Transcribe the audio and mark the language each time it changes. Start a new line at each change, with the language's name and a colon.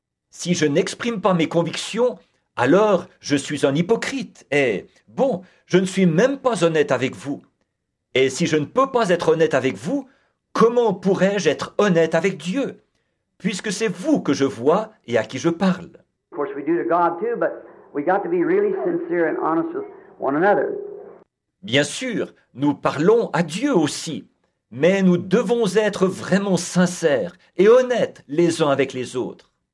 French: Si je n'exprime pas mes convictions, alors je suis un hypocrite. Et bon, je ne suis même pas honnête avec vous. Et si je ne peux pas être honnête avec vous, comment pourrais-je être honnête avec Dieu, puisque c'est vous que je vois et à qui je parle?
English: Of course, we do to God too, but we got to be really sincere and honest with one another.
French: Bien sûr, nous parlons à Dieu aussi. Mais nous devons être vraiment sincères et honnêtes les uns avec les autres.